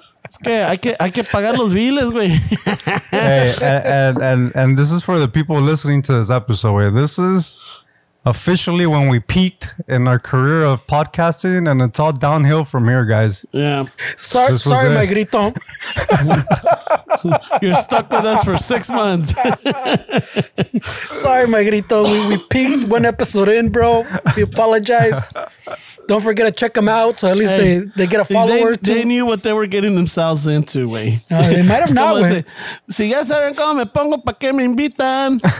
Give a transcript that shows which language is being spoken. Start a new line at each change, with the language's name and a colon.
Spanish: Es que hay que pagar los biles, güey.
English: Hey, and this is for the people listening to this episode, güey. This is officially when we peaked in our career of podcasting, and it's all downhill from here, guys. Yeah. Sorry, my grito. You're stuck with us for 6 months. Sorry, my grito. We peaked one episode in, bro. We apologize. Don't forget to check them out, so at least they get a follower. They knew what they were getting themselves into, wey. They might have not, wey.
Spanish: Si ya saben cómo me pongo, pa' que me invitan.